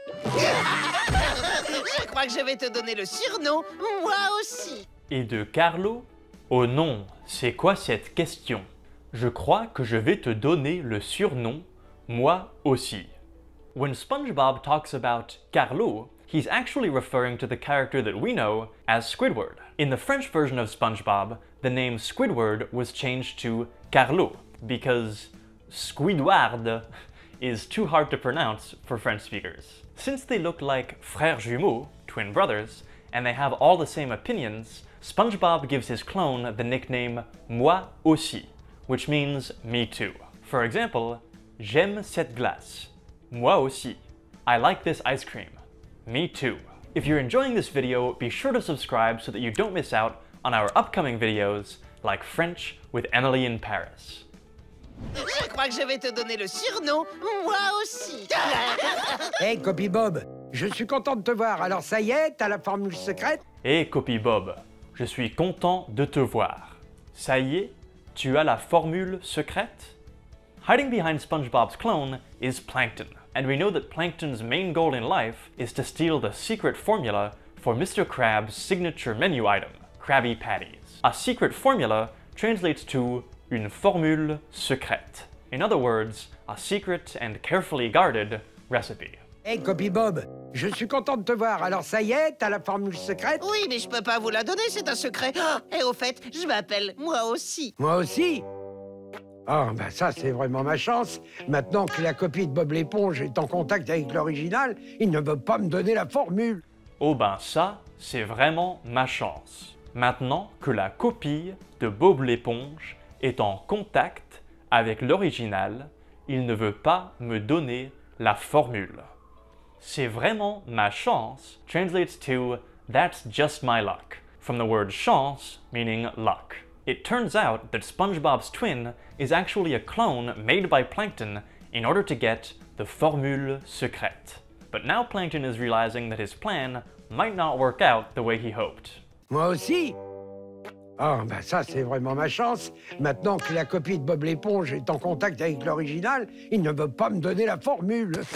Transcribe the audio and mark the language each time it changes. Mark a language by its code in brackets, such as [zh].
[fr] Je crois que je vais te donner le surnom, moi aussi. et de Carlo? Oh non, c'est quoi cette question? Je crois que je vais te donner le surnom, moi aussi. [en] When SpongeBob talks about Carlo, he's actually referring to the character that we know as Squidward. In the French version of SpongeBob, the name Squidward was changed to Carlo because Squidward is too hard to pronounce for French speakers. Since they look like [fr] frères jumeaux, [en] twin brothers, and they have all the same opinions, SpongeBob gives his clone the nickname Moi aussi, which means me too. For example, [fr] j'aime cette glace. Moi aussi. [en] I like this ice cream. Me too. If you're enjoying this video, be sure to subscribe so that you don't miss out on our upcoming videos like French with Emily in Paris. [fr] Je crois que je vais te donner le surnom, moi aussi. Hey, Copy Bob, je suis content de te voir. Alors ça y est, t'as la formule secrète? Hey, Copy Bob, je suis content de te voir. Ça y est, tu as la formule secrète? [en] Hiding behind SpongeBob's clone is Plankton. And we know that Plankton's main goal in life is to steal the secret formula for Mr. Krabs' signature menu item, Krabby Patties. A secret formula translates to [fr] une formule secrète. [en] In other words, a secret and carefully guarded recipe. [fr] Hey, Copy Bob, je suis content de te voir. Alors ça y est, t'as la formule secrète? Oui, mais je peux pas vous la donner, c'est un secret. Oh, et au fait, je m'appelle moi aussi. Moi aussi? Ah, oh, ben ça, c'est vraiment ma chance. Maintenant que la copie de Bob l'éponge est en contact avec l'original, il ne veut pas me donner la formule. Oh ben ça, c'est vraiment ma chance. Maintenant que la copie de Bob l'éponge est en contact avec l'original, il ne veut pas me donner la formule. C'est vraiment ma chance [en] translates to that's just my luck, from the word chance meaning luck. It turns out that SpongeBob's twin is actually a clone made by Plankton in order to get the formule secrète. But now Plankton is realizing that his plan might not work out the way he hoped. [fr] Moi aussi? Oh, ben ça, c'est vraiment ma chance. Maintenant que la copie de Bob l'éponge est en contact avec l'original, il ne veut pas me donner la formule.